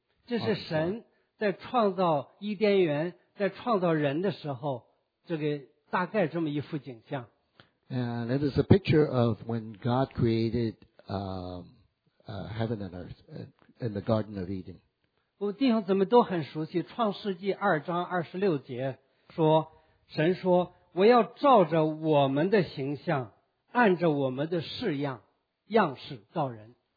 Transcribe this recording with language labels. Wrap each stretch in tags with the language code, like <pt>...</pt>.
<zh>这是神在创造伊甸园，在创造人的时候，这个大概这么一幅景象。</zh> <en>And it is a picture of when God created heaven and earth in the Garden of Eden.</en> <zh>我弟兄姊妹都很熟悉，创世纪二章二十六节说，神说，我要照着我们的形象，按着我们的式样，样式造人。</zh>